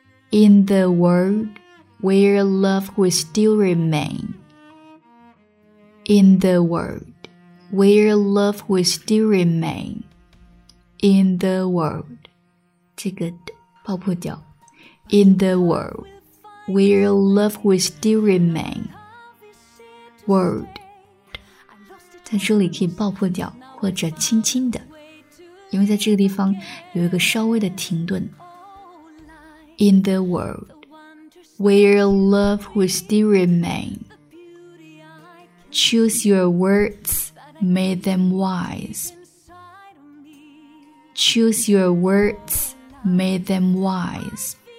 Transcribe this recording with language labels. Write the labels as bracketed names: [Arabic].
[English] In the world where love will still remain. In the world where love will still remain. In the world, [Chinese] 这个爆破掉。 [English] In the world, where love will still remain. [Chinese] World, 在这里可以爆破掉或者轻轻的，因为在这个地方有一个稍微的停顿。 [English] In the world, where love will still remain. Choose your words, make them wise. Choose your words, make them wise.